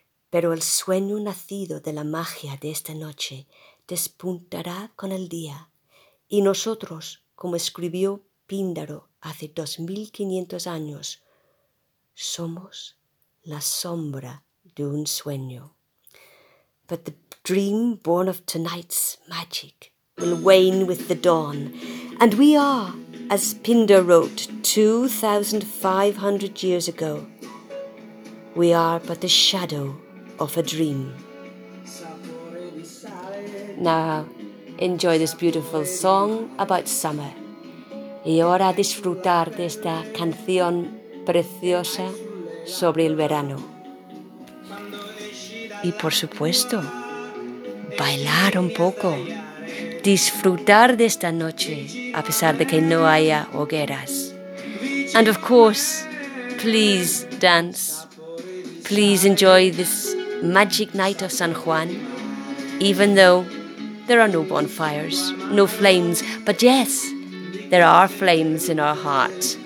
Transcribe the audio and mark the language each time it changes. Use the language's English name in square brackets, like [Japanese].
[Spanish] Pero el sueño nacido de la magia de esta noche despuntará con el día, y nosotros, como escribió Píndaro hace 2500 años, somos la sombra de un sueño. [English] But the dream born of tonight's magic will wane with the dawn, And we are, as Pindar wrote 2,500 years ago, we are but the shadow of a dream. Now, enjoy this beautiful song about summer. [Spanish] Y ahora disfrutar de esta canción preciosa sobre el verano. Y por supuesto, bailar un poco. Disfrutar de esta noche, a pesar de que no haya hogueras. [English] And of course, please dance. Please enjoy this magic night of San Juan, even though there are no bonfires, no flames. But yes, there are flames in our heart.